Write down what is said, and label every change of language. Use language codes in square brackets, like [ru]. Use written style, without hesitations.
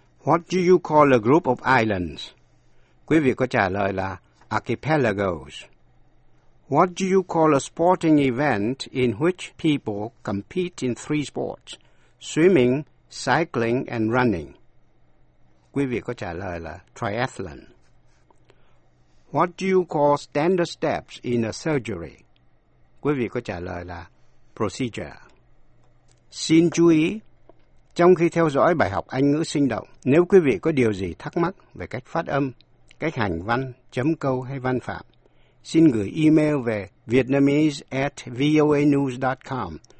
[en] What do you call a group of islands? [vi] Quý vị có trả lời là archipelagos. [en] What do you call a sporting event in which people compete in three sports? Swimming, cycling and running. [vi] Quý vị có trả lời là triathlon. [en] What do you call standard steps in a surgery? [vi] Quý vị có trả lời là procedure. Xin chú ý, trong khi theo dõi bài học Anh ngữ sinh động, nếu quý vị có điều gì thắc mắc về cách phát âm, cách hành văn, chấm câu hay văn phạm, xin gửi email về vietnamese@voanews.com.